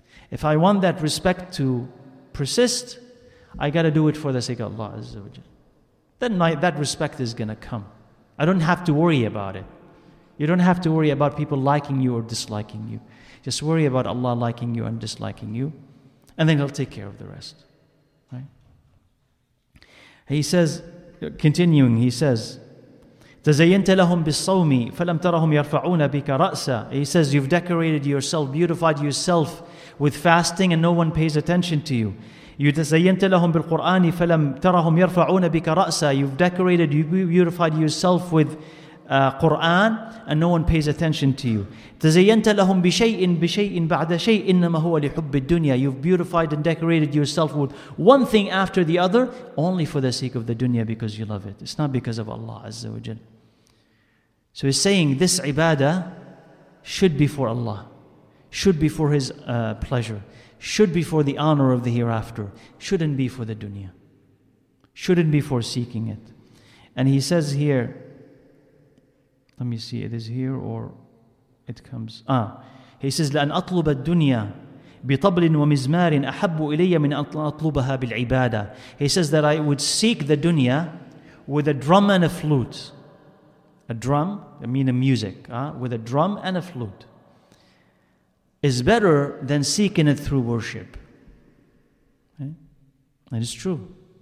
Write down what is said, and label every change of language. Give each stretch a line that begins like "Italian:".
English: If I want that respect to persist, I got to do it for the sake of Allah Azza wa Jal. Then that respect is going to come. I don't have to worry about it. You don't have to worry about people liking you or disliking you. Just worry about Allah liking you and disliking you, and then He'll take care of the rest. He says, continuing, he says,
Arabic: تَزَيَّنْتَ لَهُمْ بِالصَّوْمِ فَلَمْ تَرَهُمْ يَرْفَعُونَ بِكَ رَأْسًا.
English: He says, you've decorated yourself, beautified yourself with fasting, and no one pays attention to you.
Arabic: تَزَيَّنْتَ لَهُمْ بِالْقُرْآنِ فَلَمْ تَرَهُمْ يَرْفَعُونَ بِكَ رَأْسًا.
English: You've decorated, you beautified yourself with Quran, and no one pays attention to you.
Arabic: تَزَيَّنْتَ لَهُمْ بِشَيْءٍ بَعْدَ شَيْءٍ إِنَّمَا هُوَ لِحُبِّ الدُّنْيَا.
English: You've beautified and decorated yourself with one thing after the other, only for the sake of the dunya, because you love it. It's not because of Allah Azza wa Jal. So he's saying this ibadah should be for Allah, should be for His pleasure, should be for the honor of the hereafter, shouldn't be for the dunya, shouldn't be for seeking it. And he says here, let me see, it is here or it comes. He says,
Arabic: لَأَنْ أَطْلُبَ الدُّنْيَا بِطَبْلٍ وَمِزْمَارٍ أَحَبُّ إِلَيَّ مِنْ أَطْلُبَهَا بِالْعِبَادَةِ.
English: He says that I would seek the dunya with a drum and a flute. A drum, I mean a music, with a drum and a flute, is better than seeking it through worship. Okay? That is true.